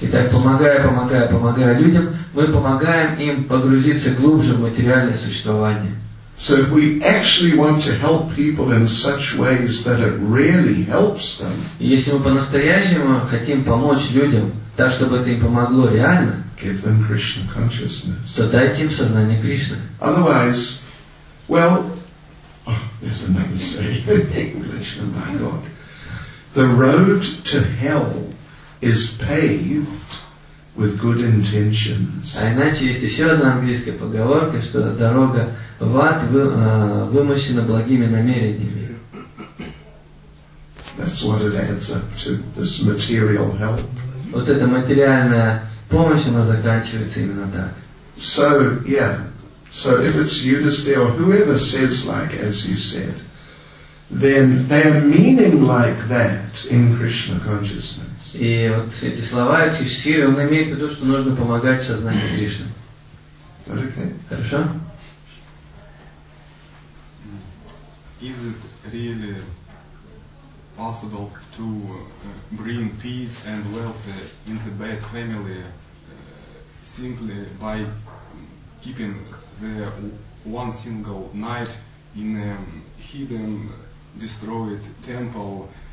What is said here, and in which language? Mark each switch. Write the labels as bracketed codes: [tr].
[ru] Итак, помогая людям, мы помогаем им погрузиться глубже в материальное существование. [en] So if we actually want to help people in such ways that it really helps them, [ru] если мы по-настоящему хотим помочь людям так, чтобы это им помогло реально, [en] give them Krishna consciousness. [ru] То дайте им сознание Кришны. [en] Otherwise, well, there's another saying in English, oh my God. The road to hell is paved with good intentions. [ru] А иначе есть еще одна английская поговорка, что дорога в ад вымощена благими намерениями. [en] That's what it adds up to, this material help. [ru] Вот эта материальная помощь, она заканчивается именно так. [en] So, yeah. So if it's Yudhisthira or whoever says like as you said, then they are meaning like that in Krishna consciousness. [ru] И вот эти слова, эти сферы, он имеет в виду, что нужно помогать сознанию Кришны. [en] Okay. [ru] Хорошо? [en] Is it really possible to bring peace and wealth in the bad family simply by keeping the one single night in a hidden, destroyed temple